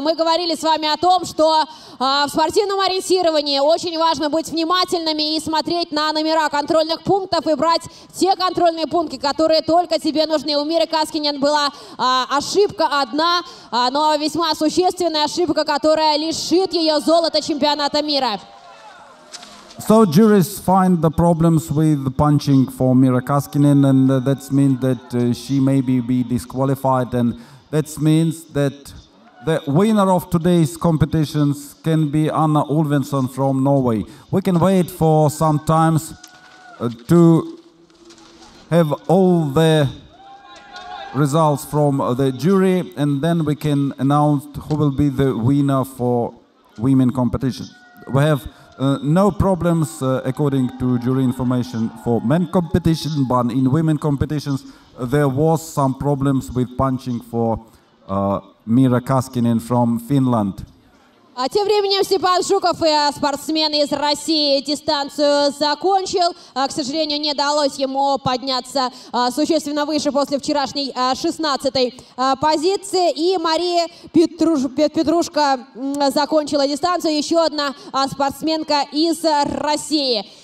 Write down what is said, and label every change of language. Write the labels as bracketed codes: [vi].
[ru] Мы говорили с вами о том, что в спортивном ориентировании очень важно быть внимательными и смотреть на номера контрольных пунктов и брать те контрольные пункты, которые только тебе нужны. У Миры Каскинен была ошибка одна, но весьма существенная ошибка, которая лишит ее золота чемпионата мира. [en] So juries find the problems with punching for Mira Kaskinen, and that means that she may be disqualified, and that means that the winner of today's competitions can be Anna Ulvensson from Norway. We can wait for some time to have all the results from the jury, and then we can announce who will be the winner for women competition. We have no problems, according to jury information, for men competition, but in women competitions, there was some problems with punching for Mira Kaskinen from Finland. [ru] А тем временем Степан Жуков и спортсмен из России дистанцию закончил. К сожалению, не удалось ему подняться существенно выше после вчерашней 16-й позиции. И Мария Петрушка закончила дистанцию. Еще одна спортсменка из России.